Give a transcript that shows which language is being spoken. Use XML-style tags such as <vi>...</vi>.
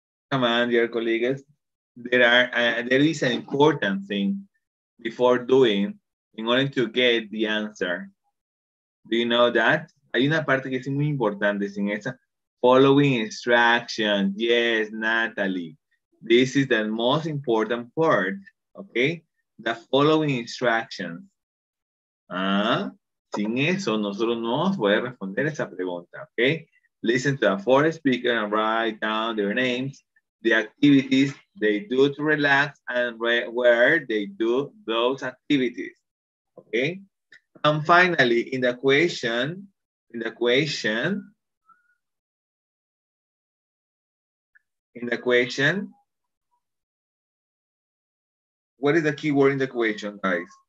<en>Come on, dear colleagues, there is an important thing before doing in order to get the answer. Do you know that?</en> <es>Hay una parte que es muy importante sin esa.</es> <en>Following instructions. Yes, Natalie. This is the most important part, okay? The following instructions.</en> <es>Sin eso, nosotros no vamos a poder responder esa pregunta, okay?</es> <en>Listen to the four speakers and write down their names, the activities they do to relax, and where they do those activities, okay? And finally, in the question, what is the keyword in the question, guys?</en>